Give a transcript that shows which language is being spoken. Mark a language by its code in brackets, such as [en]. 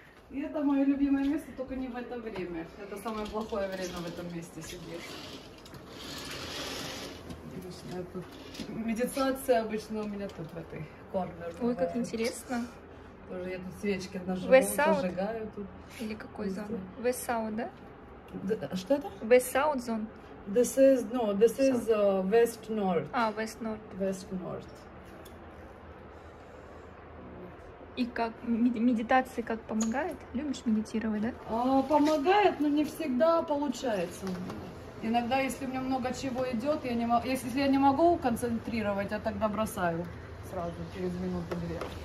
[ru] И это мое любимое место, только не в это время. Это самое плохое время в этом месте сидеть. Медитация обычно у меня тут, в этой корнер. Ой, бывает. Как интересно. Тоже я тут свечки нажимаю, зажигаю тут. Или какой зон? [en] West-South, [ru] да? Что это? [en] West-South зон. This is, no, this is West-North. А, West-North. West-North. [ru] И как медитация как помогает? Любишь медитировать, да? А, помогает, но не всегда получается. Иногда, если у меня много чего идет, если я не могу концентрировать, я тогда бросаю сразу через минуту-две.